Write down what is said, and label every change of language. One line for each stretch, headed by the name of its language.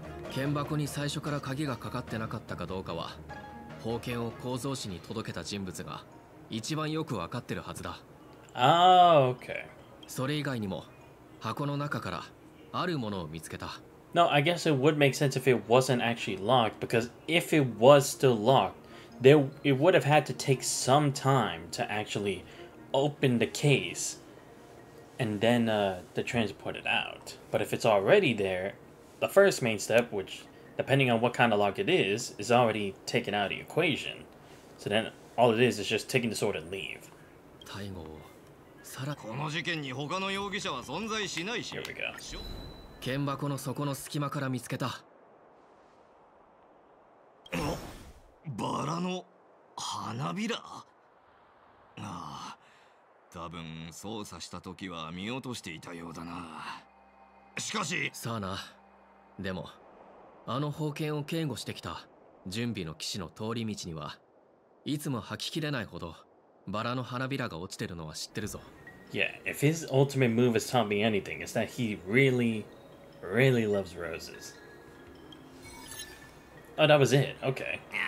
Japanese: 剣箱に最初から鍵がかかってなかったかどうかは、宝剣を構造士に届けた人物が一番よくわかってるはずだ。
English: Oh, okay.
Japanese: それ以外にも、箱の中からあるものを見つけた。
English: No, I guess it would make sense if it wasn't actually locked, because if it was still locked,It would have had to take some time to actually open the case and then to transport it out. But if it's already there, the first main step, which depending on what kind of lock it is already taken out of the equation. So then all it is just taking the sword and leave. Taigo,
Japanese: Sara, この事件に他の容疑者は存在しないし。
English: Here we go.
Japanese: 剣箱の底の隙間から見つけた。バラの花びら。ああ、多分操作した時は見落としていたようだな。しかし、さあな。でも、あの宝剣を警護してきた準備の騎士の通り道にはいつも吐ききれないほどバラの花びらが落ちてるのは知ってるぞ。
English: Yeah, if his ultimate move is taught me anything, it's that he really, really loves roses. Oh, that was it. Okay.